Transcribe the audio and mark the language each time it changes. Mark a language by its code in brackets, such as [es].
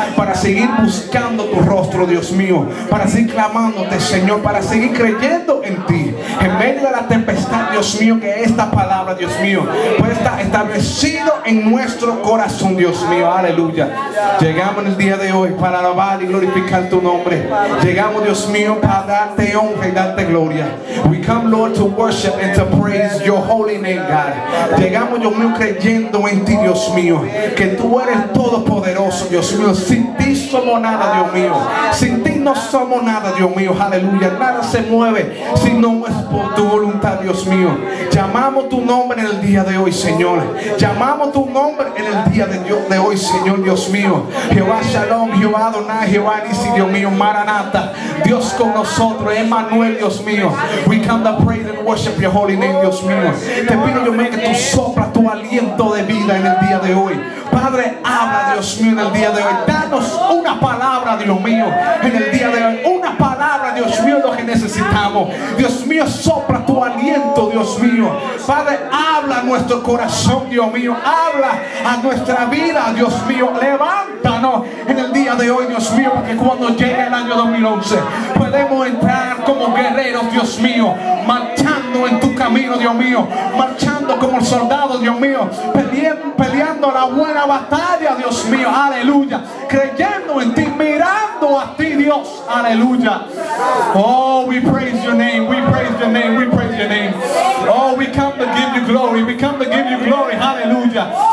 [es] Para seguir buscando tu rostro, Dios mío. Para seguir clamándote, Señor. Para seguir creyendo en ti. En medio de la tempestad, Dios mío, que esta palabra, Dios mío, pues está establecido en nuestro corazón, Dios mío, aleluya. Llegamos en el día de hoy para alabar y glorificar tu nombre. Llegamos, Dios mío, para darte honra y darte gloria. [en] We come, Lord, to worship and to praise your holy name, God. [es] Llegamos, Dios mío, creyendo en ti, Dios mío, que tú eres todopoderoso, Dios mío. Sin ti somos nada, Dios mío. Sin ti no somos nada, Dios mío, aleluya. Nada se mueve si no es por tu voluntad, Dios mío. Llamamos tu nombre en el día de hoy, Señor. Llamamos tu nombre en el día de hoy, Señor, Dios mío. Jehová Shalom, Jehová Adonai, Jehová Nisi, Dios mío, Maranata. Dios con nosotros, Emmanuel, Dios mío. [en] We come to pray and worship your holy name, [es] Dios mío. Te pido, Dios mío, que tú sopla tu aliento de vida en el día de hoy. Padre, habla, Dios mío, en el día de hoy. Danos una palabra, Dios mío, en el día de hoy. Una palabra, Dios mío, lo que necesitamos. Dios mío, sopla tu aliento, Dios mío. Padre, habla a nuestro corazón, Dios mío. Habla a nuestra vida, Dios mío. Levántanos en el día de hoy, Dios mío, porque cuando llegue el año 2011, podemos entrar como guerreros, Dios mío, marchando en tu camino, Dios mío, marchando como soldados, Dios mío, peleando la buena batalla, Dios mío, aleluya, creyendo en ti, mirando a ti, Dios, aleluya. [en] Oh, we praise your name, we praise your name, we praise your name. Oh, we come to give you glory, we come to give you glory, aleluya.